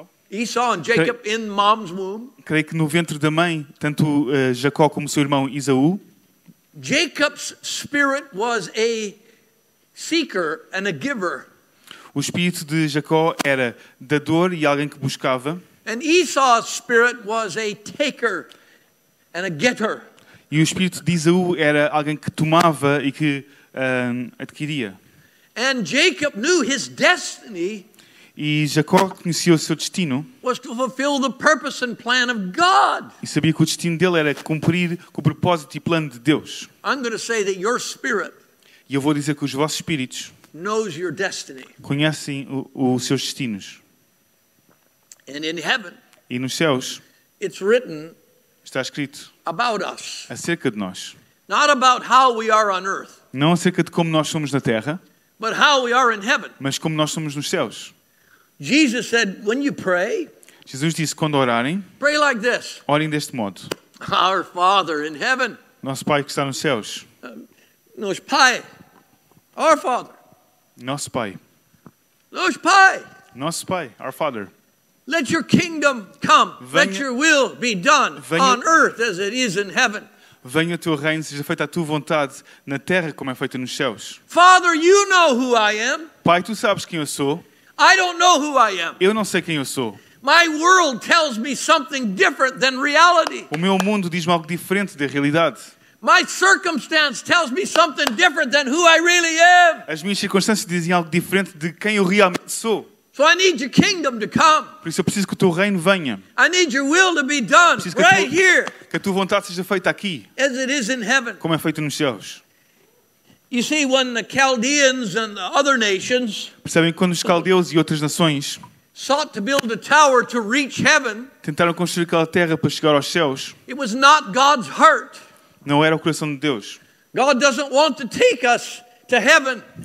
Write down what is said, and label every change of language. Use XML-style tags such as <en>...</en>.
<en>Esau and Jacob in mom's womb.</en> <pt>Creio que no ventre da mãe, tanto Jacó como seu irmão Esaú.</pt> <en>Jacob's spirit was a seeker and a giver.</en> <pt>O espírito de Jacó era dador e alguém que buscava.</pt> <en>And Esau's spirit was a taker and a getter.</en> <pt>E o espírito de Esaú era alguém que tomava e que adquiria.</pt> <en>And Jacob knew his destiny.</en> <pt>E Jacó conhecia o seu destino.</pt> <en>Was to fulfill the purpose and plan of God.</en> <pt>E sabia que o destino dele era cumprir com o propósito e plano de Deus.</pt> <en>I'm going to say that your spirit.</en> <pt>E eu vou dizer que os vossos espíritos.</pt> <en>Knows your destiny.</en> <pt>Conhecem os seus destinos.</pt> <en>And in heaven.</en> <pt>E nos céus.</pt> <en>It's written.</en> <pt>Está escrito.</pt> <en>About us.</en> <pt>Acerca de nós.</pt> <en>Not about how we are on earth.</en> <pt>Não acerca de como nós somos na terra.</pt> <en>But how we are in heaven.</en> <pt>Mas como nós somos nos céus.</pt> <en>Jesus said, when you pray,</en> <pt>Jesus disse, quando orarem,</pt> <en>pray like this.</en> <pt>Orem deste modo.</pt> <en>Our Father in heaven.</en> <pt>Nosso Pai que está nos céus. Nosso Pai.</pt> <en>Our Father.</en> <pt>Nosso Pai. Nosso Pai. Nosso Pai.</pt> <en>Our Father. Let your kingdom come. Let your will be done on earth as it is in heaven.</en> <pt>Venha o teu reino, seja feita a tua vontade na terra como é feita nos céus.</pt> <en>Father, you know who I am.</en> <pt>Pai, tu sabes quem eu sou.</pt> <en>I don't know who I am.</en> <pt>Eu não sei quem eu sou.</pt> <en>My world tells me something different than reality.</en> <pt>O meu mundo diz-me algo diferente da realidade.</pt> <en>My circumstance tells me something different than who I really am.</en> <pt>As minhas circunstâncias dizem algo diferente de quem eu realmente sou.</pt> <en>So I need your kingdom to come.</en> <pt>Por isso eu preciso que o teu reino venha.</pt> <en>I need your will to be done right here.</en> <pt>Que a tua vontade seja feita aqui.</pt> <en>As it is in heaven.</en> <pt>Como é feito nos céus.</pt> <en>You see, when the Chaldeans and the other nations.</en> <pt>Percebem quando os caldeus e outras nações.</pt> <en>Sought to build a tower to reach heaven.</en> <pt>Tentaram construir aquela terra para chegar aos céus.</pt> <en>It was not God's heart.</en> <pt>Não era o coração de Deus.</pt> <en>God doesn't want to take us to heaven.</en>